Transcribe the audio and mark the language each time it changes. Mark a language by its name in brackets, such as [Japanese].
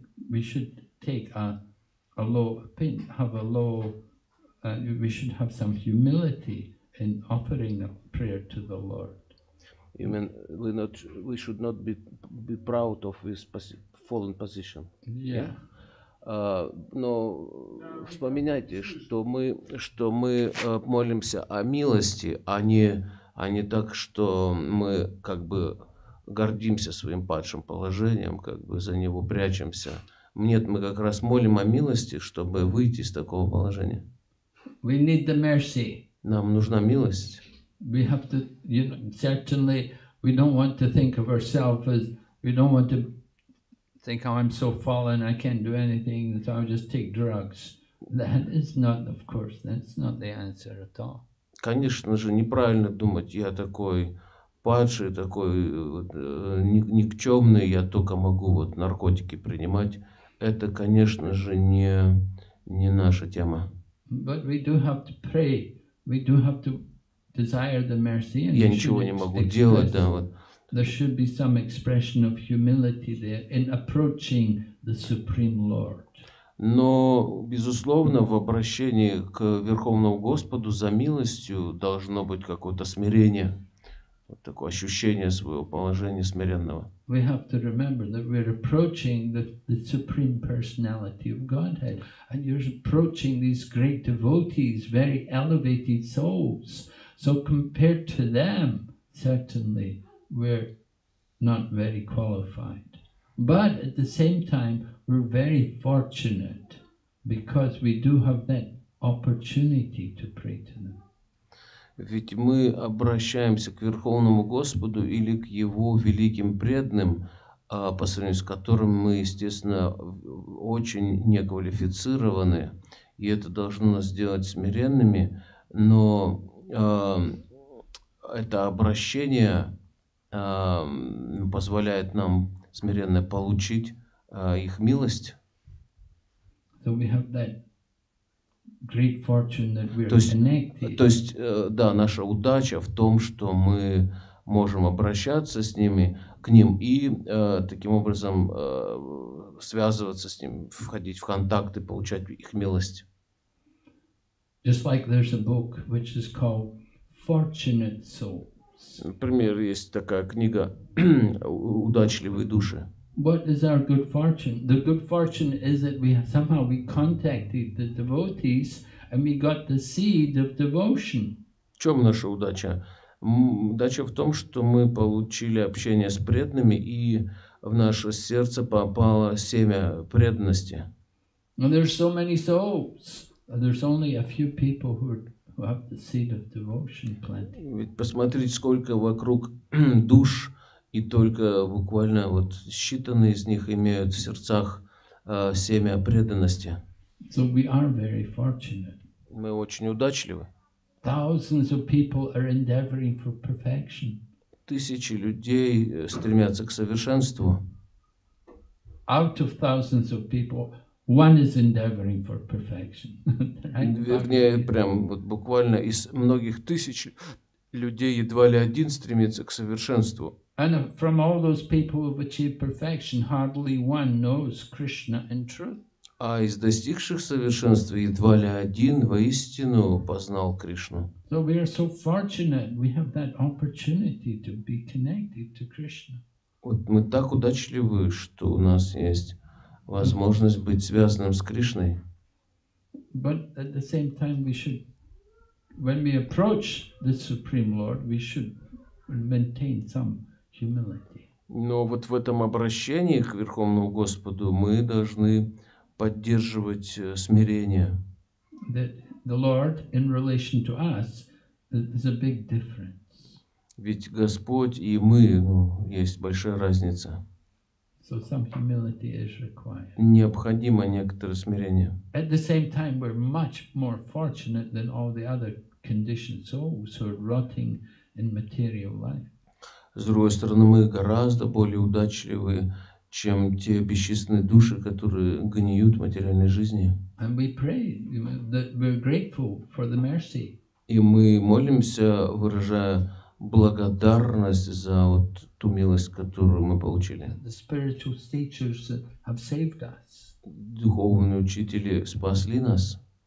[English] We should take a low opinion, have a low. We should have some humility in offering a prayer to the Lord. You mean we should not be proud of this fallen position? Yeah. [Russian] Но вспоминайте, что мы молимся о милости, а не так, что мы как бы гордимся своим падшим положением, как бы за него прячемся. Нет, мы как раз молим о милости, чтобы выйти из такого положения. [English] We need the mercy. [Russian] Нам нужна милость. [English] We have to, you know, certainly we don't want to think of ourselves as, we don't want to think, oh, I'm so fallen, I can't do anything, so I'll just take drugs. That is not, of course, that's not the answer at all. [Russian] Конечно же, неправильно думать, я такой падший, такой никчемный, я только могу вот наркотики принимать. Это, конечно же, не наша тема. [English] But we do have to pray. We do have to desire the mercy. And [Russian] я ничего не могу делать, да, вот. [English] There should be some expression of humility there in approaching the Supreme Lord. [Russian] Но безусловно, в обращении к Верховному Господу за милостью должно быть какое-то смирение, вот такое ощущение своего положения смиренного. [English] We have to remember that we're approaching the Supreme Personality of Godhead, and you're approaching these great devotees, very elevated souls. So compared to them, certainly, we're not very qualified. But at the same time, we're very fortunate, because we do have that opportunity to pray to them. [Russian] Ведь мы обращаемся к Верховному Господу или к Его великим преданным, по сравнению с которым мы, естественно, очень неквалифицированы, и это должно нас сделать смиренными, но это обращение позволяет нам смиренно получить их милость. [English] So we have that. Great fortune that we are connected. [Russian] То есть, да, наша удача в том, что мы можем обращаться с ними, к ним и таким образом связываться с ним, входить в контакты, получать их милость. [English] Just like there's a book which is called Fortunate Souls. [Russian] Например, есть такая книга «Удачливые души». [English] What is our good fortune? The good fortune is that we have, somehow we contacted the devotees and we got the seed of devotion. [Russian] В чем наша удача? Удача в том, что мы получили общение с преданными и в наше сердце попало семя преданности. [English] And there's so many souls. There's only a few people who have the seed of devotion planted. [Russian] Ведь посмотрите, сколько вокруг душ. И только буквально вот считанные из них имеют в сердцах семя преданности. [English] So we are very fortunate. [Russian] Мы очень удачливы. [English] Thousands of people are endeavoring for perfection. [Russian] Тысячи людей стремятся к совершенству. [English] Out of thousands of people, one is endeavoring for perfection. [Russian] Вернее, прям вот буквально из многих тысяч людей едва ли один стремится к совершенству. [English] And from all those people who have achieved perfection, hardly one knows Krishna in truth. [Russian] А из достигших совершенства едва ли один воистину познал Кришну. [English] So we are so fortunate, we have that opportunity to be connected to Krishna. [Russian] Вот мы так удачливы, что у нас есть возможность быть связанным с Кришной. [English] But at the same time, we should, when we approach the Supreme Lord, we should maintain some. [Russian] Но вот в этом обращении к Верховному Господу мы должны поддерживать смирение. [English] The Lord in relation to us is a big difference. [Russian] Ведь Господь и мы, ну, есть большая разница. [English] So some humility is required. [Russian] Необходимо некоторое смирение. [English] At the same time, we're much more fortunate than all the other conditioned souls who are rotting in material life. [Russian] С другой стороны, мы гораздо более удачливы, чем те бесчисленные души, которые гниют в материальной жизни. [English] And we pray that we're grateful for the mercy. [Russian] И мы молимся, выражая благодарность за вот ту милость, которую мы получили. [English] The spiritual teachers have saved us. [Russian] Духовные учители спасли нас.